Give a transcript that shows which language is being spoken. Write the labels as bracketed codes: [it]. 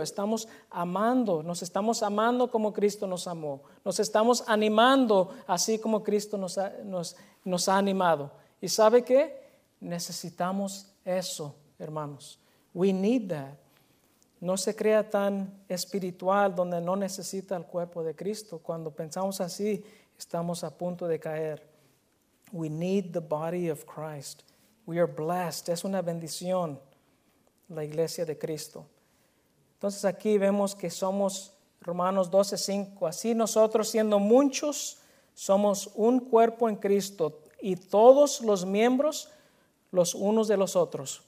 [es] Estamos amando, nos estamos amando como Cristo nos amó, nos estamos animando así como Cristo nos ha animado. ¿Y sabe qué? Necesitamos eso, hermanos. [en] We need that. [es] No se crea tan espiritual donde no necesita el cuerpo de Cristo. Cuando pensamos así, estamos a punto de caer. [en] We need the body of Christ. We are blessed. [es] Es una bendición la iglesia de Cristo. Entonces aquí vemos que somos, Romanos 12:5, así nosotros siendo muchos, somos un cuerpo en Cristo y todos los miembros los unos de los otros.